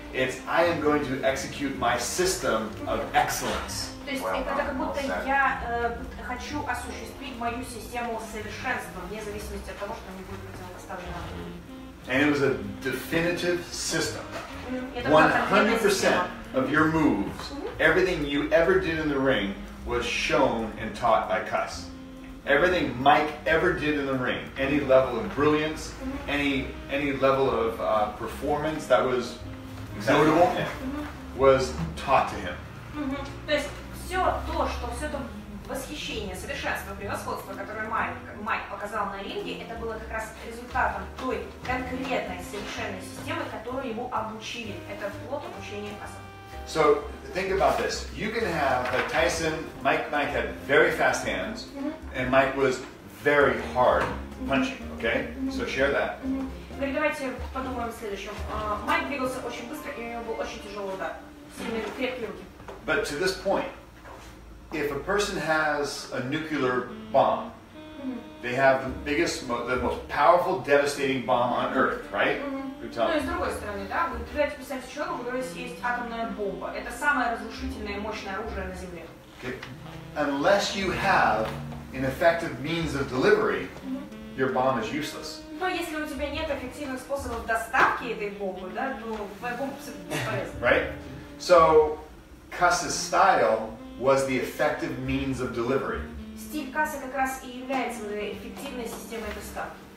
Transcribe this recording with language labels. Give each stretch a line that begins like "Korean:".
English: It's I am going to execute my system of excellence.
Russian: То есть это как будто я хочу осуществить мою систему совершенства вне зависимости от того, что мне будет противопоставлено.
English: And it was a definitive system. 100% of your moves, everything you ever did in the ring was shown and taught by Cus. Everything Mike ever did in the ring, any level of brilliance, mm-hmm. any level of performance that was notable, mm-hmm. was taught to him.
Russian: То есть все то восхищение, совершенство, превосходство, которое Майк показал на ринге, это было как раз результатом той конкретной совершенной системы, которую ему обучили. Это плод обучения Каса.
English: So think about this. You can have like Tyson, Mike had very fast hands, mm-hmm. and Mike was very hard punching, okay? Mm-hmm. So share that. Mm-hmm.
Russian: Давайте подумаем о следующем. Майк двигался очень быстро, и у него был очень тяжелый удар. Сильные, крепкие руки.
English: But to this point, if a person has a nuclear bomb, mm-hmm. they have the biggest, the most powerful, devastating bomb on Earth, right? Mm-hmm.
Russian: Ну и с другой стороны, да, вы представляете, представьте человеку, у которого есть атомная бомба. Это самое разрушительное и мощное оружие на Земле.
English: Okay. Unless you have an effective means of delivery, mm-hmm. your bomb is useless.
Russian: Но если у тебя нет эффективных способов доставки этой бомбы, да, то твоя бомба бесполезна.
English: Right? So, Cus's style was the effective means of delivery.
Russian: Стиль Касса как раз и является эффективной системой доставки.